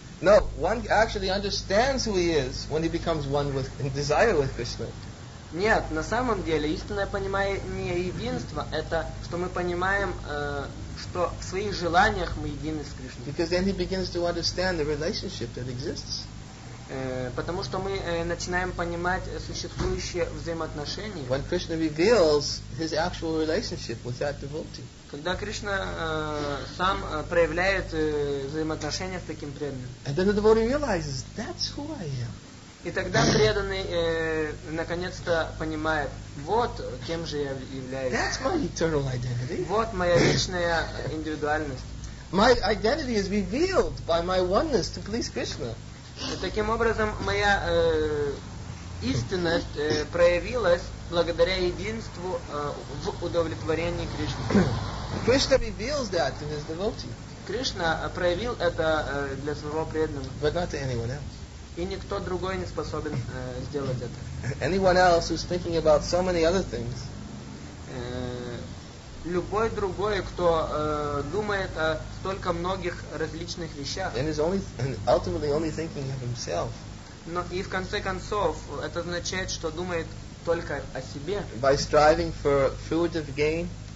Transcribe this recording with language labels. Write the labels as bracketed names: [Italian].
[English] No, one actually understands who he is when he becomes one with in desire with Krishna. [Russian] Нет, на самом деле истинное понимание единства это что мы понимаем, что в своих желаниях мы едины с Кришной. [English] Because then he begins to understand the relationship that exists. [Russian] Потому что мы начинаем понимать существующие взаимоотношения. [English] When Krishna reveals his actual relationship with that devotee. [Russian] Когда Кришна сам проявляет взаимоотношения с таким преданным. [English] And then the devotee realizes, that's who I am. [Russian] И тогда преданный наконец-то понимает, вот кем же я являюсь. [English] That's my eternal identity. [Russian] Вот моя личная индивидуальность. [English] My identity is revealed by my oneness to please Krishna. [Russian] И таким образом моя истинность проявилась благодаря единству в удовлетворении Кришны. [English] Krishna reveals that to his devotee. [Russian] Кришна проявил это для своего преданного. [English] But not to anyone else. [Russian] И никто другой не способен сделать это. [English] Anyone else who's thinking about so many other things. [Russian] любой другой, кто думает о столько многих различных вещах. [English] And is only, ultimately only thinking of himself. [Russian] Но и в конце концов это означает, что думает только о себе. [English] By striving for fugitive gain.